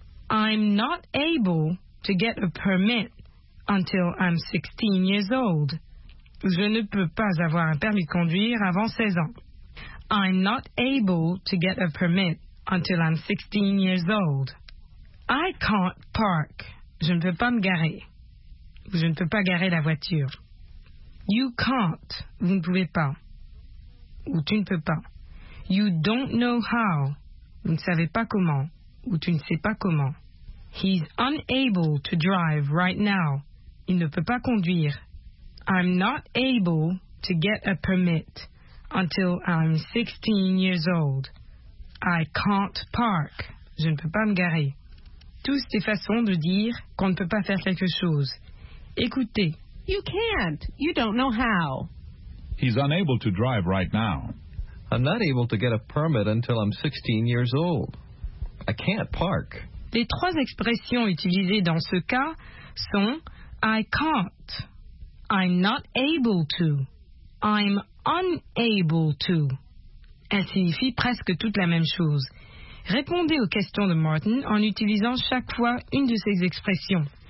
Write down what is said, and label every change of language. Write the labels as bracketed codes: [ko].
[en] I'm not able to get a permit until I'm 16 years old. [fr] Je ne peux pas avoir un permis de conduire avant 16 ans. [en] I'm not able to get a permit until I'm 16 years old. I can't park. [fr] Je ne peux pas me garer. Je ne peux pas garer la voiture. [en] You can't. [fr] Vous ne pouvez pas. Ou tu ne peux pas. [en] You don't know how. [fr] Vous ne savez pas comment. Ou tu ne sais pas comment. [en] He's unable to drive right now. [fr] Il ne peut pas conduire. [en] I'm not able to get a permit until I'm 16 years old. I can't park. [fr] Je ne peux pas me garer. Tous ces façons de dire qu'on ne peut pas faire quelque chose. Écoutez. [en] You can't. You don't know how. He's unable to drive right now. I'm not able to get a permit until I'm 16 years old. I can't park. [fr] Les trois expressions utilisées dans ce cas sont [en] I can't. I'm not able to. I'm unable to. [fr] Elles signifient presque toutes la même chose. Répondez aux questions de Martin en utilisant chaque fois une de ces expressions.